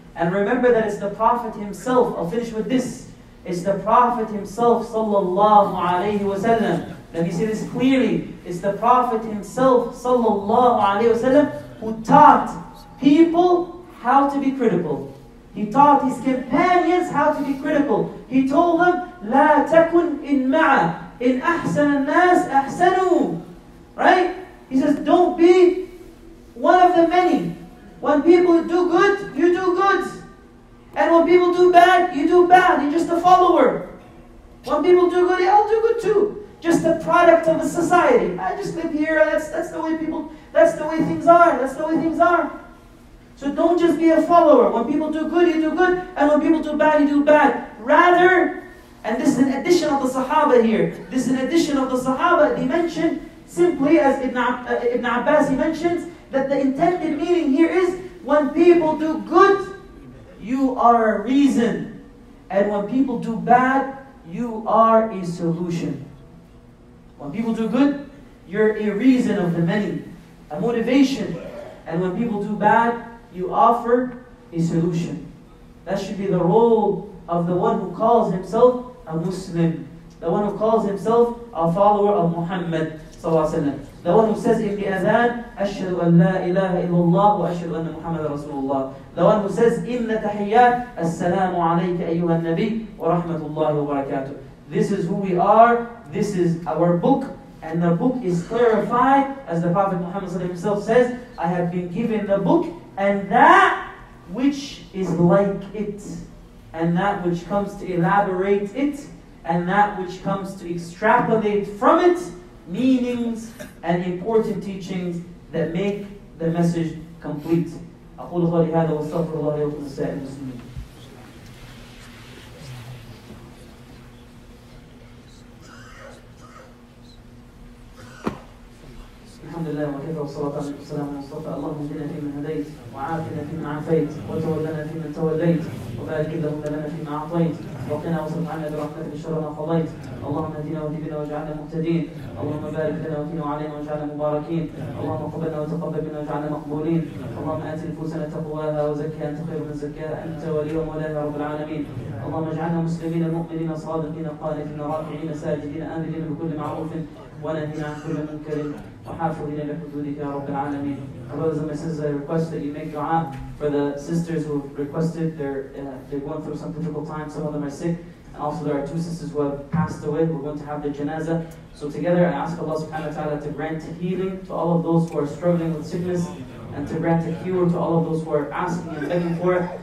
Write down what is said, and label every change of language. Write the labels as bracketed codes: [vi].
[en] And remember that it's the Prophet himself, I'll finish with this, it's the Prophet himself, sallallahu alayhi wa sallam. Let me say this clearly. It's the Prophet himself, sallallahu alayhi wa sallam, who taught people how to be critical. He taught his companions how to be critical. He told them, [ar] لَا تَكُنْ إِنْ مَعَ إِنْ أَحْسَنَ النَّاسِ أَحْسَنُوا. [en] Right? He says, don't be one of the many. When people do good, you do good. And when people do bad, you do bad. You're just a follower. When people do good, I'll do good too. Just a product of the society. I just live here. That's the way people, that's the way things are. That's the way things are. So don't just be a follower. When people do good, you do good. And when people do bad, you do bad. Rather, and this is an addition of the Sahaba here. This is an addition of the Sahaba. He mentioned, simply as Ibn Abbas, he mentions, that the intended meaning here is, when people do good, you are a reason. And when people do bad, you are a solution. When people do good, you're a reason of the many, a motivation. And when people do bad, you offer a solution. That should be the role of the one who calls himself a Muslim, the one who calls himself a follower of Muhammad ﷺ. The one who says in the Azan, [ar] أَشْهَدُ أَنْ لَا إِلَهَ إِلَّا اللَّهُ وَأَشْهَدُ أَنَّ مُحَمَّدَ رَسُولُ اللَّهِ. [en] The one who says in the Tahiyyat, [ar] السَّلَامُ عَلَيْكَ أَيُّهَا النَّبِيُّ وَرَحْمَةُ اللَّهِ وَبَرَكَاتُهُ. [en] This is who we are, this is our book, and the book is clarified, as the Prophet Muhammad ﷺ himself says, I have been given the book, and that which is like it, and that which comes to elaborate it, and that which comes to extrapolate from it, meanings and important teachings that make the message complete. [ar] أقول قولي هذا واستغفر الله لي ولكم ولسائر المسلمين. الحمد لله وكفى والصلاة والسلام على المصطفى. اللهم اهدنا فيمن هديت وعافنا فيمن عافيت وتولنا فيمن توليت وبارك لنا فيما أعطيت وقنا وصرف عنا برحمتك الشر ما قضيت. اللهم اهدنا وهدنا واجعلنا مهتدين. اللهم بارك لنا وفينا وعلينا واجعلنا مباركين. اللهم قبلنا وتقبل منا واجعلنا مقبولين. اللهم آت نفوسنا تقواها وزكها أنت خير من زكاها أنت ولي ومولاها رب العالمين. اللهم اجعلنا مسلمين مؤمنين صادقين قانتين راكعين ساجدين آمنين بكل معروف ونهين عن كل منكر وحافظين لحدودك يا رب العالمين. [en] Brothers and my sisters, I request that you make dua for the sisters who have requested. They're going through some difficult times. Some of them are sick. And also there are two sisters who have passed away. We're going to have the janazah. So together I ask Allah subhanahu wa ta'ala to grant healing to all of those who are struggling with sickness, and to grant a cure to all of those who are asking and begging for it.